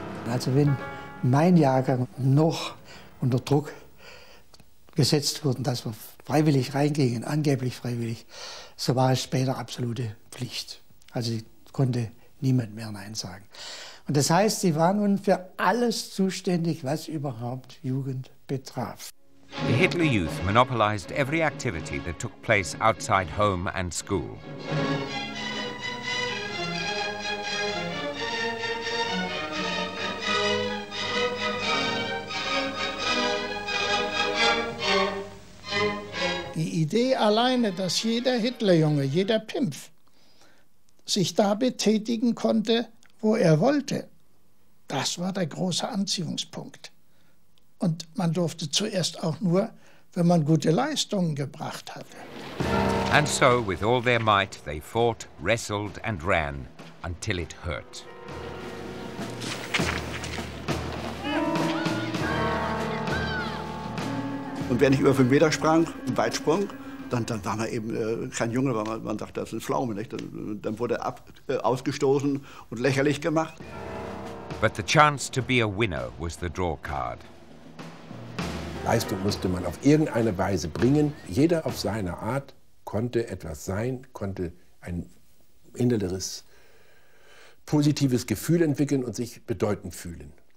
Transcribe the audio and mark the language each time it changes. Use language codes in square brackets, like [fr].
[de] Also wenn mein Jahrgang noch unter Druck gesetzt wurden, dass wir freiwillig reingingen, angeblich freiwillig, so war es später absolute Pflicht. Also konnte niemand mehr Nein sagen. Und das heißt, sie war nun für alles zuständig, was überhaupt Jugend betraf. [en] The Hitler Youth monopolized every activity that took place outside home and school. [de] Die Idee alleine, dass jeder Hitlerjunge, jeder Pimpf, sich da betätigen konnte, wo er wollte, das war der große Anziehungspunkt. Und man durfte zuerst auch nur, wenn man gute Leistungen gebracht hatte. [en] And so, with all their might, they fought, wrestled and ran, until it hurt. [de] Und wenn ich über 5 Meter sprang, einen Weitsprung, dann war man eben kein Junge, weil man sagt, das ist ein Pflaume, nicht? Dann wurde ausgestoßen und lächerlich gemacht. [en] But the chance to be a winner was the draw card. [de] Leistung musste man auf irgendeine Weise bringen. Jeder auf seine Art konnte etwas sein, konnte ein inneres positives Gefühl entwickeln und sich bedeutend fühlen.